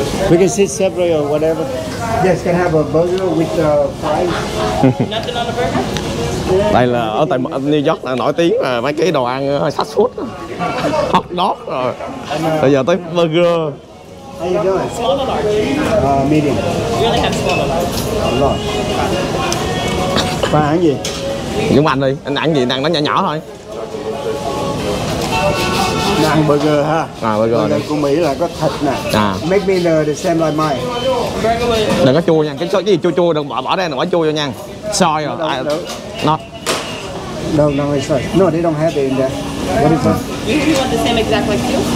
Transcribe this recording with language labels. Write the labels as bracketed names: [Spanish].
[English] We can sit separately or whatever. Yes, can have a burger with fries. Nothing on the burger? [Vietnamese] Đây là ở tại New York là nổi tiếng là mấy cái đồ ăn fast food. Hot dog rồi. Bây giờ tới burger. [English] How you doing? Small or large? Medium. You only have small or large? Large. [Vietnamese] Ăn gì? Dũng Anh đi, anh ăn gì, đang nói nhỏ nhỏ thôi. Ăn burger ha. À burger. Burger của Mỹ là có thịt nè. À. [English] Make me the same like mine. [Vietnamese] Đừng có chua nha. Cái gì chua chua đừng bỏ đây, đừng bỏ chua vô nha. Soy rồi. Đâu, đâu. Nó. Đâu đâu hay soy. [English] No, they don't have it in there. What is it? You want the same exact like you?